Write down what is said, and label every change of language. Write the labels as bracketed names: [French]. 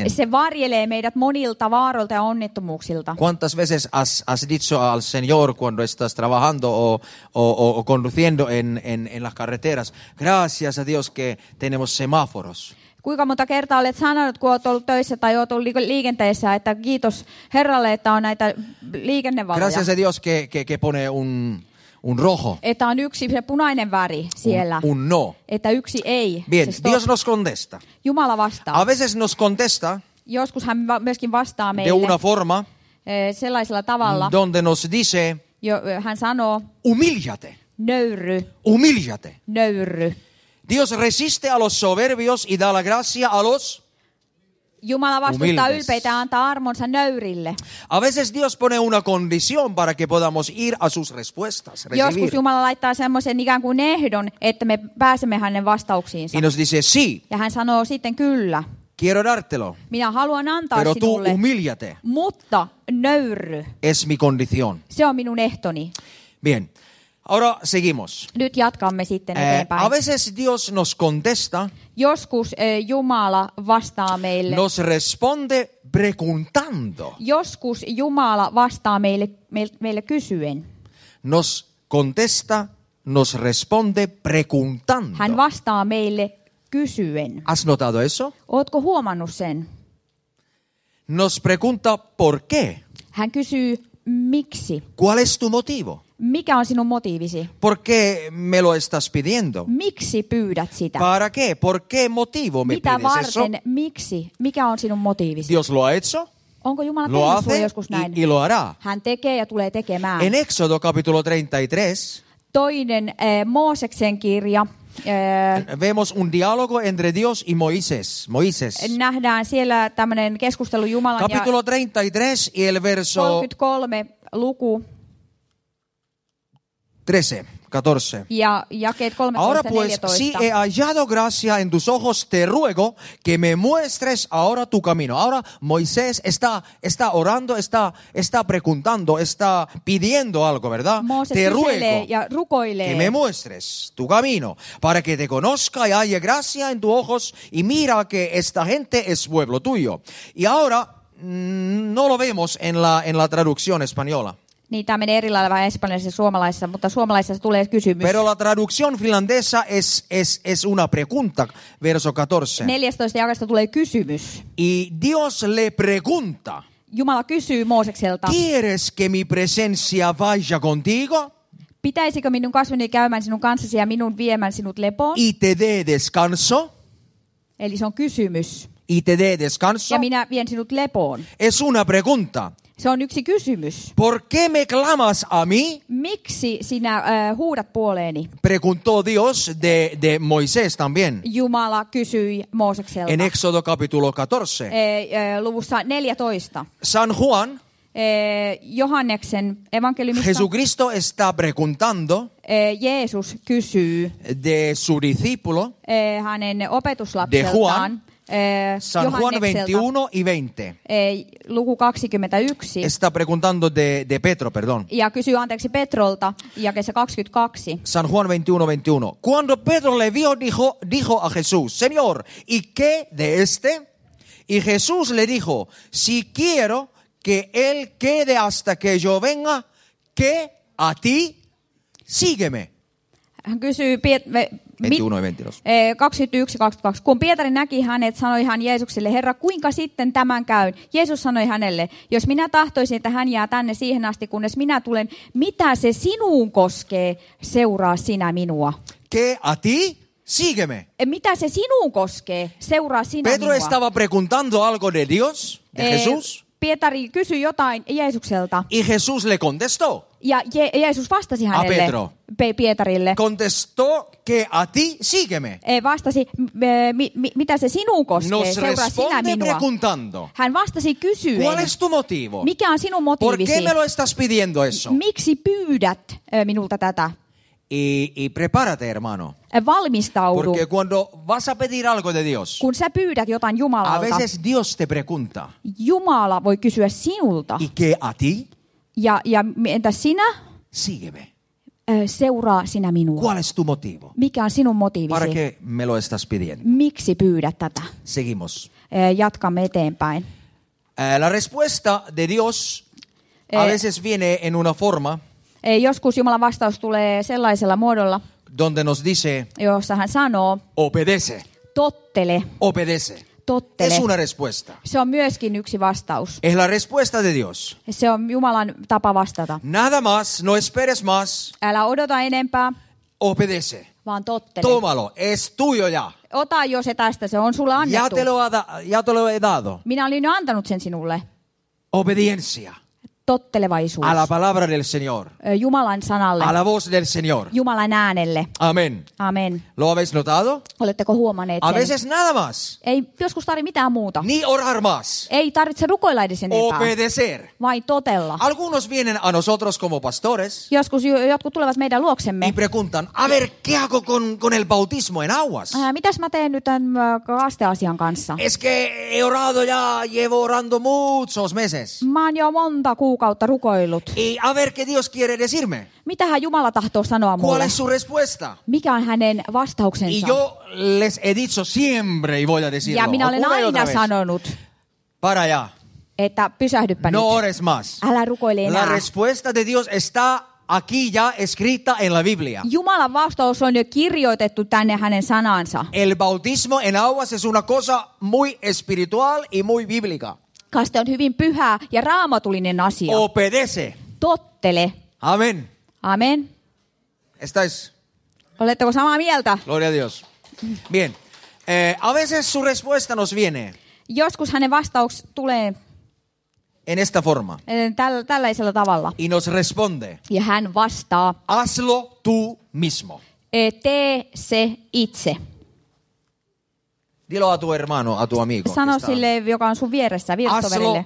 [Finnish] Se varjelee meidät monilta vaaroilta ja onnettomuuksilta. [Spanish] ¿Cuántas veces has dicho al Señor cuando estás trabajando o conduciendo en las carreteras? Gracias a Dios que tenemos semáforos. [Finnish] Kuinka monta kertaa olet sanonut, kun olet ollut töissä tai olet ollut liikenteessä, että kiitos Herralle, että on näitä liikennevaloja. [Spanish] Gracias a Dios que pone un rojo. [Finnish] Että on yksi se punainen väri siellä. [Spanish] Un no. [Finnish] Että yksi ei. [Spanish] Bien, Dios nos contesta. [Finnish] Jumala vastaa. [Spanish] A veces nos contesta. [Finnish] Joskus hän myöskin vastaa meille. [Spanish] De una forma. [Finnish] Sellaisella tavalla. [Spanish] Donde nos dice. [Finnish] Hän sanoo. [Spanish] Humíllate. [Finnish] Nöyrry. [Spanish] Humíllate. [Finnish] Nöyrry. [Spanish] Dios resiste a los soberbios y da la gracia a los [Finnish] Jumala vastustaa ylpeitä ja antaa armonsa nöyrille. [Spanish] A veces Dios pone una condición para que podamos ir a sus respuestas. Recibir. [Finnish] Joskus Jumala laittaa semmoisen ikään kuin ehdon, että me pääsemme hänen vastauksiinsa. [Spanish] Y nos dice, sí. [Finnish] Ja hän sanoo sitten kyllä. [Spanish] Quiero dártelo. [Finnish] Minä haluan antaa [Spanish] Pero [Finnish] sinulle. [Spanish] Tú humíllate. [Finnish] Mutta nöyrry. [Spanish] Es mi condición. [Finnish] Se on minun ehtoni. [Spanish] Bien. Ahora seguimos. [Finnish] Nyt jatkamme sitten eteenpäin. [Spanish] A veces Dios nos contesta. [Finnish] Joskus Jumala vastaa meille. [Spanish] Nos responde preguntando. [Finnish] Joskus Jumala vastaa meille kysyen. [Spanish] Nos contesta, nos responde preguntando. [Finnish] Hän vastaa meille kysyen. [Spanish] ¿Has notado eso? [Finnish] Ootko huomannut sen? [Spanish] Nos pregunta por qué. [Finnish] Hän kysyy miksi. [Spanish] ¿Cuál es tu motivo? [Finnish] Mikä on sinun motiivisi? [Spanish] ¿Por qué me lo estás pidiendo? [Finnish] Miksi pyydät sitä? [Spanish] ¿Para qué? ¿Por qué motivo me [Finnish] Mitä [Spanish] pides [Finnish] varten? [Spanish] Eso? [Finnish] Miksi? Mikä on sinun motiivisi? [Spanish] Dios lo ha hecho. [Finnish] Onko Jumala tehnyt sinulle joskus näin? [Spanish] Y lo hará. [Finnish] Hän tekee ja tulee tekemään. [Spanish] En Éxodo capítulo 33. [Finnish] Toinen Mooseksen kirja. [Spanish] Vemos un diálogo entre Dios y Moisés. [Finnish] Nähdään siellä tämmöinen keskustelu Jumalan [Spanish] capítulo 33 y el verso [Finnish] 33 luku [Spanish] 13, 14. [Finnish] Ja 13, [Spanish] ahora pues, [Finnish] 14. [Spanish] Si he hallado gracia en tus ojos, te ruego que me muestres ahora tu camino. Ahora Moisés está orando, está preguntando, está pidiendo algo, ¿verdad? [Finnish] Mooses [Spanish] te ruego [Finnish] ja rukoilee, [Spanish] que me muestres tu camino para que te conozca y halle gracia en tus ojos y mira que esta gente es pueblo tuyo. Y ahora no lo vemos en la traducción española. [Finnish] Niin, tämä menee eri lailla vähän espanjalaisessa ja suomalaisessa, mutta suomalaisessa tulee kysymys. [Spanish] Pero la traducción finlandesa es una pregunta, verso 14. [Finnish] 14 jakasta tulee kysymys. [Spanish] Y Dios le pregunta. [Finnish] Jumala kysyy Moosekselta. [Spanish] ¿Quieres que mi presencia vaya contigo? [Finnish] Pitäisikö minun kasvani käymään sinun kanssasi ja minun viemään sinut lepoon? [Spanish] Y te dé descanso. [Finnish] Eli se on kysymys. [Spanish] Y te dé descanso. [Finnish] Ja minä vien sinut lepoon. [Spanish] Es una pregunta. [Finnish] Se on yksi kysymys. [Spanish] ¿Por qué me clamas a mí? [Finnish] Miksi sinä huudat puoleeni? [Spanish] Preguntó Dios de Moisés también. [Finnish] Jumala kysyi Moosekselta. [Spanish] En Éxodo capítulo 14. [Finnish] Luvussa 14. [Spanish] San Juan. [Finnish] Johanneksen evankeliumissa. [Spanish] Jesucristo está preguntando. [Finnish] Jeesus kysyy. [Spanish] De su discípulo. [Finnish] Hänen opetuslapseltaan. [Spanish] De Juan. San Juan 21 y 20. [Finnish] Luku 21. [Spanish] Está preguntando de Pedro, perdón. [Finnish] Ja kysyy anteeksi Petrolta, ja kese 22. [Spanish] San Juan 21:21. Cuando Pedro le vio, dijo a Jesús, Señor, ¿y qué de este? Y Jesús le dijo, si quiero que él quede hasta que yo venga, ¿qué a ti? Sígueme. [Finnish] Hän kysyy, 21:22. Kun Pietari näki hänet, sanoi hän Jeesukselle, Herra, kuinka sitten tämän käyn? Jeesus sanoi hänelle, jos minä tahtoisin, että hän jää tänne siihen asti, kunnes minä tulen, mitä se sinuun koskee, seuraa sinä minua. [Spanish] Que a ti, sígueme. [Finnish] Mitä se sinuun koskee, seuraa sinä [Spanish] Pedro [Finnish] minua. [Spanish] Pedro estaba preguntando algo de Dios, de Jesús. [Finnish] Pietari kysyi jotain Jeesukselta. [Spanish] Y Jesús le contestó. [Finnish] Ja Jeesus vastasi [Spanish] a [Finnish] hänelle. [Spanish] Pedro. [Finnish] Pietarille. [Spanish] Contestó que a ti sígueme. [Finnish] Vastasi, mitä se sinuun koskee, [Spanish] nos [Finnish] seuraa sinä minua. [Spanish] Preguntando. [Finnish] Hän vastasi kysyen. [Spanish] ¿Cuál es tu motivo? [Finnish] Mikä on sinun motiivisi? [Spanish] ¿Por qué me lo estás pidiendo eso? [Finnish] Miksi pyydät minulta tätä? [Spanish] Y prepárate, hermano. [Finnish] Valmistaudu. [Spanish] Porque cuando vas a pedir algo de Dios. [Finnish] Kun sä pyydät jotain Jumalalta. [Spanish] A veces Dios te pregunta. [Finnish] Jumala voi kysyä sinulta. [Spanish] ¿Y qué a ti? [Finnish] Ja entä sinä? [Spanish] Sígueme. [Finnish] Seuraa sinä minua. [Spanish] ¿Cuál es tu motivo? [Finnish] Mikä on sinun motiivisi? [Spanish] ¿Para qué me lo estás pidiendo? [Finnish] Miksi pyydät tätä? [Spanish] Seguimos. [Finnish] Jatkamme eteenpäin. [Spanish] La respuesta de Dios a veces viene en una forma. [Finnish] Joskus Jumalan vastaus tulee sellaisella muodolla. [Spanish] Donde nos dice. [Finnish] Jossa hän sanoo. [Spanish] Obedece. [Finnish] Tottele. [Spanish] Obedece. [Finnish] Tottele. [Spanish] Es una respuesta. [Finnish] Se on myöskin yksi vastaus. [Spanish] Es la respuesta de Dios. [Finnish] Se on Jumalan tapa vastata. [Spanish] Nada más, no esperes más. [Finnish] Älä odota enempää. [Spanish] Obedece. [Finnish] Vaan tottele. [Spanish] Tómalo, es tuyo ya. [Finnish] Ota jo se tästä, se on sulle annettu. [Spanish] Ya te lo he dado. [Finnish] Minä olin jo antanut sen sinulle. [Spanish] Obediencia. [Finnish] Tottelevaisuus. [Spanish] A la palabra del Señor. [Finnish] Jumalan sanalle. [Spanish] A la voz del Señor. [Finnish] Jumalan äänelle. [Spanish] Amén. Amén. ¿Lo habéis notado? [Finnish] Oletteko huomanneet sen? [Spanish] A veces nada más. [Finnish] Ei joskus tarvitse mitään muuta. [Spanish] Ni orar más. [Finnish] Ei tarvitse rukoilla edes enempää. [Spanish] Obedecer. [Finnish] Vai totella. [Spanish] Algunos vienen a nosotros como pastores. [Finnish] Joskus jotkut tulevat meidän luoksemme. [Spanish] Y preguntan, a ver, ¿qué hago con el bautismo en aguas? [Finnish] Mitäs mä teen nyt tämän kasteasian kanssa? [Spanish] Es que he orado ya, llevo orando muchos meses. [Finnish] Mä oon jo monta kuukautta rukoillut. [Spanish] Y a ver qué Dios quiere decirme. [Finnish] Mitähän Jumala tahtoo sanoa mulle? [Spanish] ¿Cuál es su respuesta? [Finnish] Mikä on hänen vastauksensa? [Spanish] Y yo les he dicho siempre y voy a decirlo. [Finnish] Ja minä olen aina sanonut. [Spanish] Para allá. [Finnish] Että pysähdyppä nyt. [Spanish] No ores más. [Finnish] Älä rukoile enää. [Spanish] La respuesta de Dios está aquí ya escrita en la Biblia. [Finnish] Jumalan vastaus on jo kirjoitettu tänne hänen sanansa. [Spanish] El bautismo en aguas es una cosa muy espiritual y muy bíblica. [Finnish] Kaste on hyvin pyhä ja raamatullinen asia. [Spanish] Obedece. [Finnish] Tottele. [Spanish] Amén. Amén. Estáis. [Finnish] Oletteko samaa mieltä? [Spanish] Gloria a Dios. Bien. A veces su respuesta nos viene. [Finnish] Joskus hänen vastaus tulee. [Spanish] En esta forma. [Finnish] Tällaisella tavalla. [Spanish] Y nos responde. [Finnish] Ja hän vastaa. [Spanish] Hazlo tú mismo. [Finnish] Tee se itse. [Spanish] Dilo a tu hermano, a tu amigo. [Finnish] Sano sille, joka on sun vieressä, virtoverille.